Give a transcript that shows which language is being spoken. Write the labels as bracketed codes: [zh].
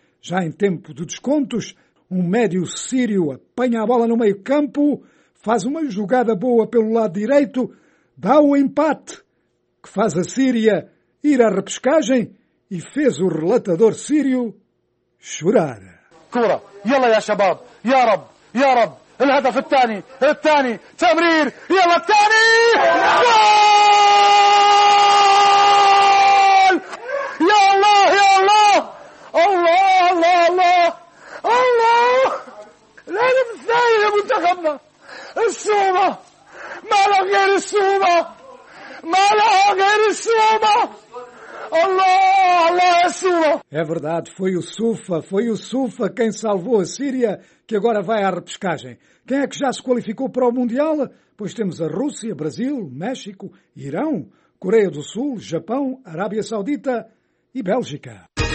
[pt] Já em tempo de descontos, um médio sírio apanha a bola no meio-campo, faz uma jogada boa pelo lado direito, dá o empate, que faz a Síria ir à repescagem e fez o relatador sírio chorar. Cura! [ar] يلا يا شباب يا رب يا رب الهدف الثاني الثاني تمرير يلا الثاني جول يا الله يا الله الله الله الله الله الهدف الثاني لمنتخبنا السومة ما لها غير السومة ما لها غير السومة Allah, Allah, [pt] é verdade, foi o Sufa quem salvou a Síria, que agora vai à repescagem. Quem é que já se qualificou para o Mundial? Pois temos a Rússia, Brasil, México, Irão, Coreia do Sul, Japão, Arábia Saudita e Bélgica.